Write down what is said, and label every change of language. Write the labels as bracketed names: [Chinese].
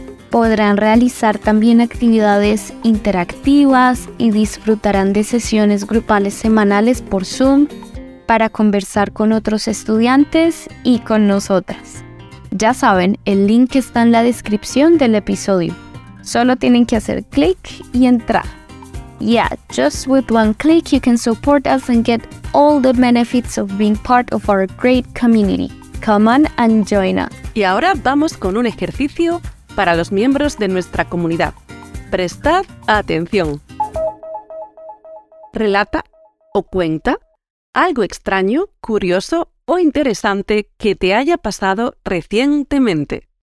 [Spanish] Podrán realizar también actividades interactivas y disfrutarán de sesiones grupales semanales por Zoom para conversar con otros estudiantes y con nosotras. Ya saben, el link está en la descripción del episodio. Solo tienen que hacer clic y entrar. [English] Yeah, just with one click you can support us and get all the benefits of being part of our great community. Come on and join us. [Spanish] Y ahora vamos con un ejercicio para los miembros de nuestra comunidad. Prestad atención. Relata o cuenta algo extraño, curioso o interesante que te haya pasado recientemente.